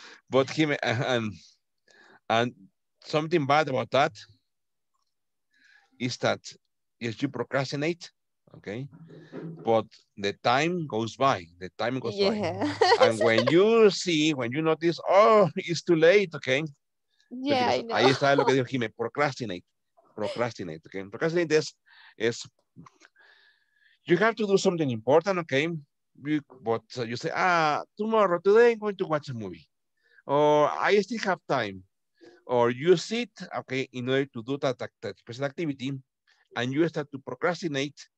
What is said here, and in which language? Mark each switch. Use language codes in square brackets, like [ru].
[en] But Jime, and something bad about that is that yes, you procrastinate, okay, but the time goes by. And when you notice, oh, it's too late, okay. Yeah, I know. [es] Ahí está lo que dijo Jime, procrastinate, okay. [en] Procrastinate is you have to do something important, okay. You say, tomorrow, today I'm going to watch a movie. Or I still have time. Or you sit, okay, in order to do that special activity, and you start to procrastinate.